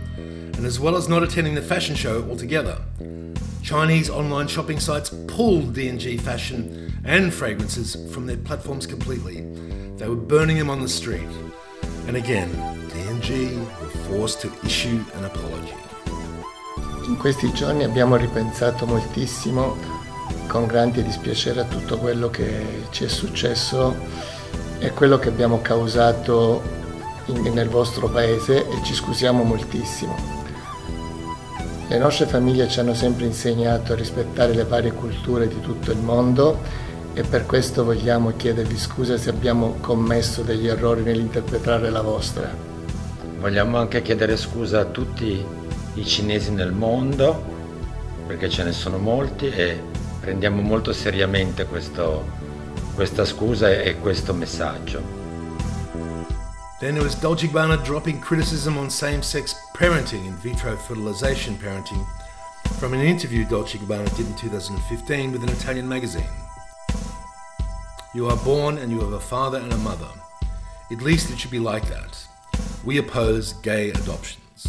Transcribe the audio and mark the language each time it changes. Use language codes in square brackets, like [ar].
[en] And as well as not attending the fashion show altogether, Chinese online shopping sites pulled D&G fashion and fragrances from their platforms completely. They were burning them on the street. And again, D&G were forced to issue an apology. [it] In questi giorni abbiamo ripensato moltissimo. Con grande dispiacere a tutto quello che ci è successo e quello che abbiamo causato nel vostro paese e ci scusiamo moltissimo. Le nostre famiglie ci hanno sempre insegnato a rispettare le varie culture di tutto il mondo e per questo vogliamo chiedervi scusa se abbiamo commesso degli errori nell'interpretare la vostra. Vogliamo anche chiedere scusa a tutti i cinesi nel mondo perché ce ne sono molti ePrendiamo molto seriamente questa scusa e questo messaggio. [en] Then there was Dolce and Gabbana dropping criticism on same-sex parenting, in vitro fertilization parenting, from an interview Dolce and Gabbana did in 2015 with an Italian magazine. You are born and you have a father and a mother. At least it should be like that. We oppose gay adoption.